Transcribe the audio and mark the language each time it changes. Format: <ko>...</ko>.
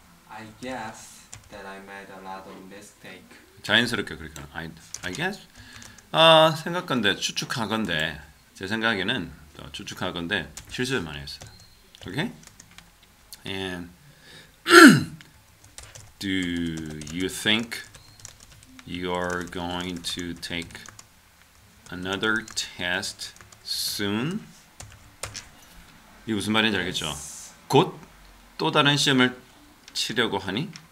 <en>I guess that I made a lot of mistake.</en> <ko>자연스럽게 그렇게</ko> <en>I guess</en> <ko>생각건데 추측하건데 제 생각에는 또 추측하건데 실수를 많이 했어요. 오케이? Okay?</ko> <en>And do you think you are going to take another test soon?</en> <ko>이게 무슨 말인지 알겠죠? 곧 또 다른 시험을 치려고 하니?</ko>